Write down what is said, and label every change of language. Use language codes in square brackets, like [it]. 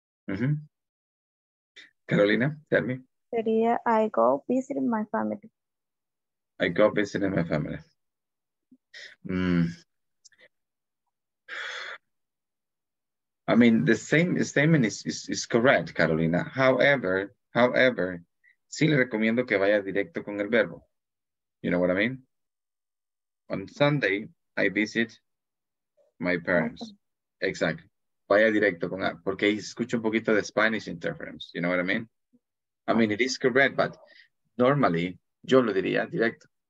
[en] Mm-hmm. Carolina, tell me. Sería, I go visiting my family. I go visiting my family. Mm. I mean, the same statement is correct, Carolina. [es] However, sí le recomiendo que vaya directo con el verbo. [en] You know what I mean? On Sunday, I visit my parents. Okay. Exactly. [es] Vaya directo con [en] that. [es] Porque escucho un poquito de [en] Spanish interference. You know what I mean? I mean, it is correct, but normally, [es] yo lo diría directo.